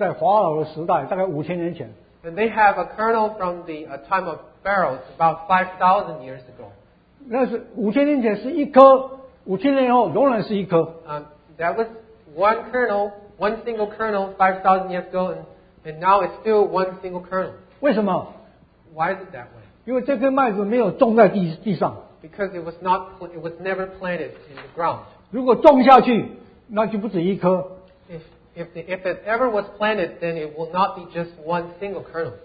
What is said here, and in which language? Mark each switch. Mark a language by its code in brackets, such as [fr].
[zh] 所以有一颗麦子是在法老的时代，大概5000年前。 [en] And they have a kernel from the time of Pharaohs, about 5,000 years ago. [zh] 那是5000年前是一颗，5000年后仍然是一颗。 [en] That was one kernel, one single kernel, 5,000 years ago, and now it's still one single kernel. [zh] 为什么？ [en] Why is it that way? [zh] 因为这颗麦子没有种在地上。 [en] Because it was never planted in the ground. [zh] 如果种下去， 那就不止一颗。 [en] If it ever was planted, then it will not be just one single kernel.